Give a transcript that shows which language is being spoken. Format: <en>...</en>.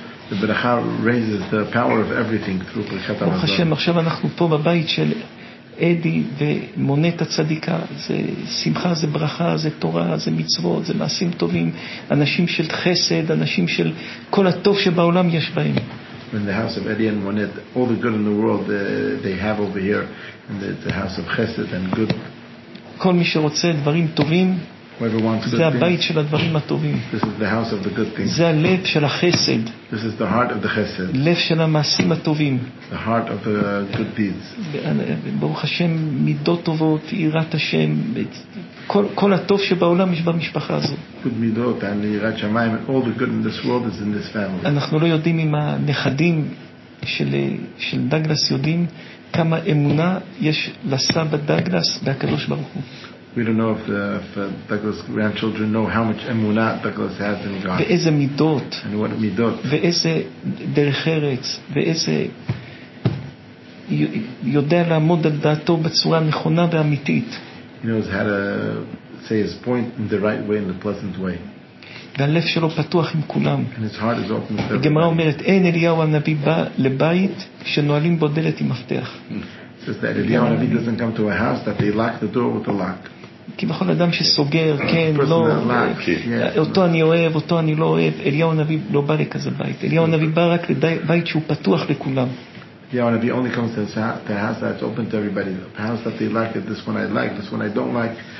<en>The ברכה raises the power of everything through ברכת המזון.</en> <he>ברוך השם, עכשיו אנחנו פה בבית של אדי ומונת הצדיקה, זה שמחה, זה ברכה, זה תורה, זה מצוות, זה מעשים טובים, אנשים של חסד, אנשים של כל הטוב שבעולם יש בהם.</he> <en>In the house of Eddie and Monet, all the good in the world they have over here, and the house of Chesed and good.</en> <he>כל מי שרוצה דברים טובים, זה הבית של הדברים הטובים.</he> <en>This is the house of the good things.</en> <he>זה הלב של החסד.</he> <en>This is the heart of the Chesed.</en> <he>לב של המעשים הטובים.</he> <en>The heart of the good deeds.</en> <he>ברוך השם, מידות טובות, יראת השם, כל הטוב שבעולם יש במשפחה הזו.</he> <en>Good מידות, and יראת שמיים, and all the good in this world is in this family.</en> <he>אנחנו לא יודעים אם הנכדים של דגלס יודעים כמה אמונה יש לסבא דגלס בקדוש ברוך הוא.</he> <en>We don't know if Douglas' grandchildren know how much emuna Douglas has in God.</en> <he>ואיזה מידות.</he> <en>And what מידות.</en> <he>ואיזה דרך ארץ. ואיזה יודע לעמוד על דעתו בצורה נכונה ואמיתית.</he> <en>He knows how to say his point in the right way, in the pleasant way.</en> <he>והלב שלו פתוח עם כולם.</he> <en>And his heart is open.</en> <he>הגמרא אומרת, אין אליהו הנביא בא לבית שנועלים בו דלת עם מפתח.</he> <en>Says that Eliyahu Navi doesn't come to a house that they lock the door with a lock.</en> <he>כי בכל אדם שסוגר, כן, לא, אותו אני אוהב, אותו אני לא אוהב. אליהו הנביא לא בא לכזה בית. אליהו הנביא בא רק לבית שהוא פתוח לכולם.</he> <en>Eliyahu Navi only comes to the house that's open to everybody. The house that they lock it, this one I like, this one I don't like.</en>